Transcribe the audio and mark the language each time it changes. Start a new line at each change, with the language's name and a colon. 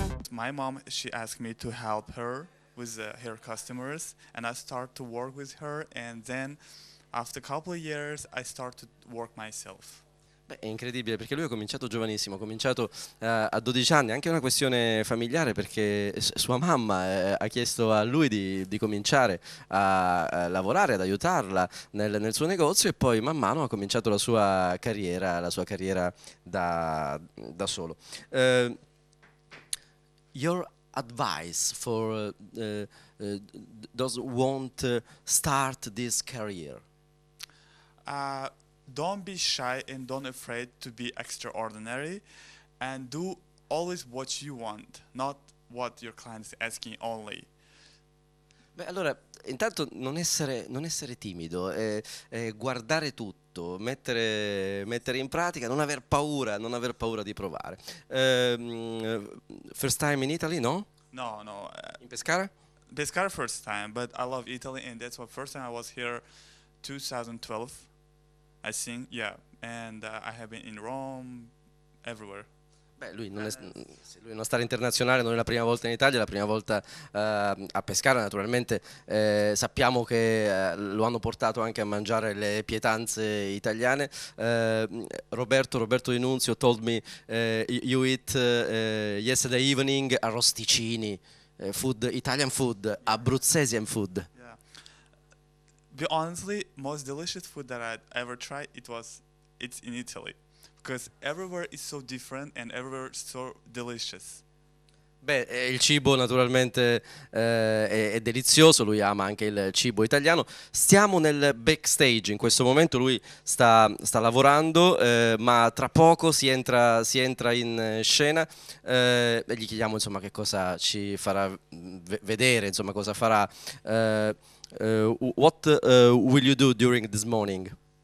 English: My mom, she asked me to help her with her customers, and I start to work with her, and then after a couple of years I start to work myself.
Italian: Beh, è incredibile, perché lui ha cominciato giovanissimo, ha cominciato a 12 anni, anche una questione familiare, perché sua mamma ha chiesto a lui di cominciare a lavorare, ad aiutarla nel suo negozio, e poi man mano ha cominciato la sua carriera da solo.
English: Your advice for those who want to start this career? Don't be shy and don't afraid to be extraordinary, and do always what you want, not what your client is asking only.
Italian: Beh, allora, intanto non essere timido, guardare tutto, mettere in pratica, non aver paura di provare.
English: First time in Italy, no? No. In Pescara? Pescara first time, but I love Italy, and that's the first time I was here, 2012, I think, yeah. And I have been in Rome, everywhere.
Italian: Beh, lui è una star internazionale, non è la prima volta in Italia, è la prima volta a Pescara, naturalmente sappiamo che lo hanno portato anche a mangiare le pietanze italiane.
English: Roberto Di Nunzio told me you eat yesterday evening arrosticini, food, Italian food, Abruzzesian food. Yeah. Honestly, most delicious food that I ever tried, it's in Italy. Because everywhere is so different and everywhere is so delicious.
Italian: Beh, il cibo naturalmente è delizioso, lui ama anche il cibo italiano. Stiamo nel backstage, in questo momento lui sta lavorando, ma tra poco si entra in scena e gli chiediamo insomma che cosa ci farà vedere, insomma cosa farà.
English: What will you do during this morning?